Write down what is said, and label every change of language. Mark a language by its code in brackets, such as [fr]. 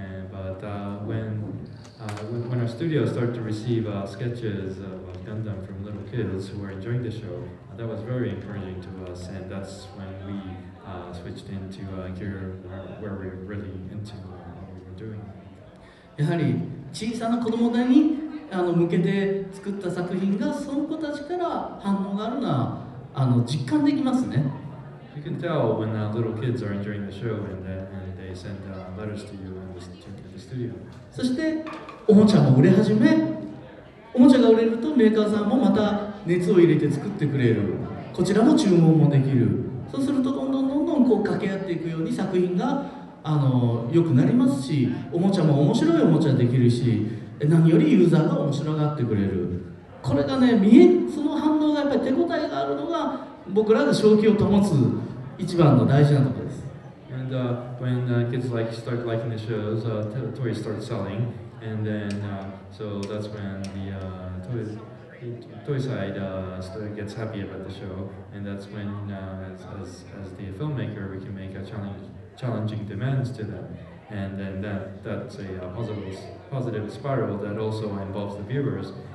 [en] But when our studio started to receive sketches of Gundam from little kids who were enjoying the show, that was very encouraging to us, and that's when we switched into gear where we're really into.Doing. [ja] やはり小さな子供たちに向けて作った作品がその子たちから反応があるのは実感できますね。 [en] You can tell when the little kids are enjoying the show and they send letters to you and the studio. [ja] そしておもちゃも売れ始め、おもちゃが売れるとメーカーさんもまた熱を入れて作ってくれる。こちらも注文もできる。そうするとどんどんどんどんこう掛け合っていくように作品が良くなりますし、おもちゃも面白いおもちゃできるし、何よりユーザーが面白がってくれる。これがね、その反応がやっぱり手応えがあるのが僕らが正気を保つ一番の大事なところです。 [en] And when kids like start liking the shows, toys start selling, and then so that's when the toy side gets happy about the show, and that's when as the filmmaker we can make a challenging demands to them, and then that's a positive spiral that also involves the viewers.